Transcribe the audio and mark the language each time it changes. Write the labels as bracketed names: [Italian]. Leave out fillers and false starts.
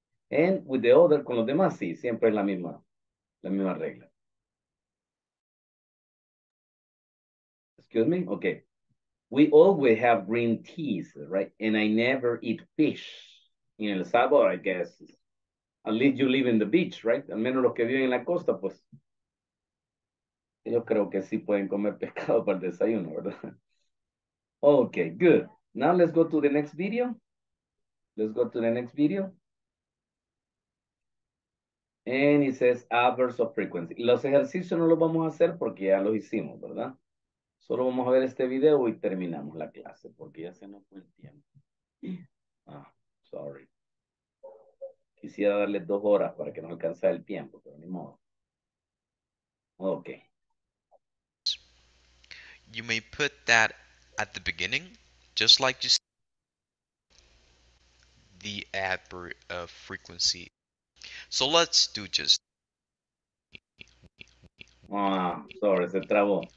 [English] And with the other, [Spanish] con los demás, sí, siempre es la misma regla. [English] Excuse me? Okay. We always have green teas, right? And I never eat fish in El Salvador, I guess. At least you live in the beach, right? [Spanish] Al menos los que viven en la costa, pues. Yo creo que sí pueden comer pescado para el desayuno, ¿verdad? [English] Okay, good. Now let's go to the next video. Let's go to the next video. And it says adverbs of frequency. [Spanish] Los ejercicios no los vamos a hacer porque ya los hicimos, ¿verdad? Solo vamos a ver este video y terminamos la clase porque ya se nos fue el tiempo. [English] Ah, sorry. [Spanish] Quisiera darle 2 horas para que no alcance el tiempo, pero ni modo. [English] Okay. You may put that at the beginning, just like you said, the adverb of frequency. So let's do just. Sorry, [Spanish] se trabó.